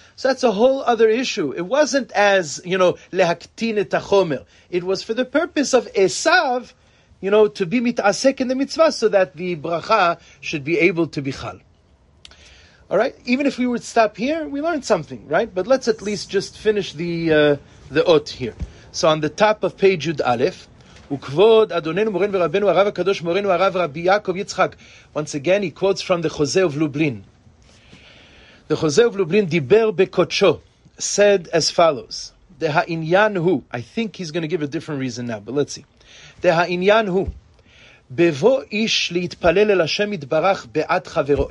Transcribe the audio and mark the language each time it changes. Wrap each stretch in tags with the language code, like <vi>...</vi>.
<en>So that's a whole other issue. It wasn't as, you know,</en> <he>lehaktin et hachomer.</he> <en>It was for the purpose of Esav, you know, to be mitasek in the mitzvah so that the bracha should be able to be chal. All right? Even if we would stop here, we learned something, right? But let's at least just finish the ot here. So on the top of page Yud Aleph,</en> <he>וכבוד אדוננו מורן ורבנו הרב הקדוש מורנו הרב רבי יעקב יצחק.</he> <en>Once again, he quotes from the Chose of Lublin. The Chose of Lublin</en> <he>דיבר בקודשו,</he> <en>said as follows,</en> <he>דהעניין הוא,</he> <en>I think he's going to give a different reason now, but let's see. דהעניין הוא,</en> <he>Bevo ish leitpalel el Hashem itbarach be'ad chavero.</he>